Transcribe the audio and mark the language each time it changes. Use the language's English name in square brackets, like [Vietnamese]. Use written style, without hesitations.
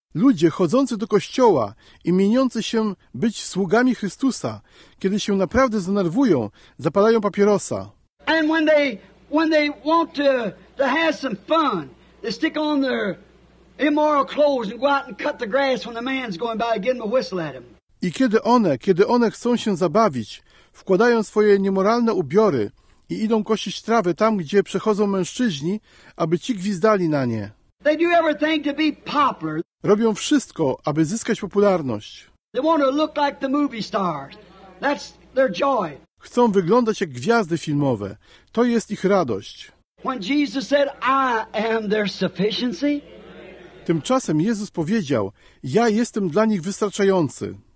[Polish] Ludzie chodzący do kościoła i mieniący się być sługami Chrystusa, kiedy się naprawdę zdenerwują, zapalają papierosa. [English] And when they want to have some fun, they stick on their immoral clothes and go out and cut the grass when the man's going by, give them a whistle at him. [Polish] I kiedy one chcą się zabawić, wkładają swoje niemoralne ubiory i idą kosić trawę tam, gdzie przechodzą mężczyźni, aby ci gwizdali na nie. [English] They do everything to be popular. [Polish] Robią wszystko, aby zyskać popularność. [English] They want to look like the movie stars. That's their joy. [Polish] Chcą wyglądać jak gwiazdy filmowe. To jest ich radość. [English] When Jesus said, I am their sufficiency, [Polish] Tymczasem Jezus powiedział: ja jestem dla nich wystarczający.